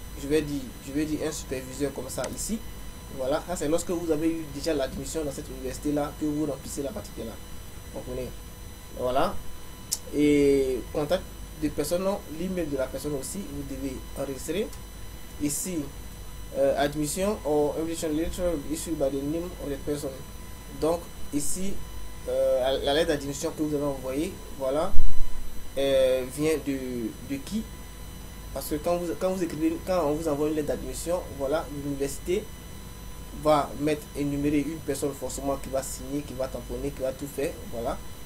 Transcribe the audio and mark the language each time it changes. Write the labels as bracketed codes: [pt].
[fr] Je vais dire un superviseur comme ça ici. Voilà, ça c'est lorsque vous avez eu déjà l'admission dans cette université là que vous remplissez la partie là. Vous comprenez? Voilà. Et contact des personnes, non, l'email de la personne aussi vous devez enregistrer ici. [en] Admission or invitation letter issued by the name of the person. [fr] Donc ici, la lettre d'admission que vous avez envoyée, voilà, vient de qui? Parce que quand on vous envoie une lettre d'admission, voilà, l'université va mettre énumérer une personne forcément qui va signer, qui va tamponner, qui va tout faire, voilà.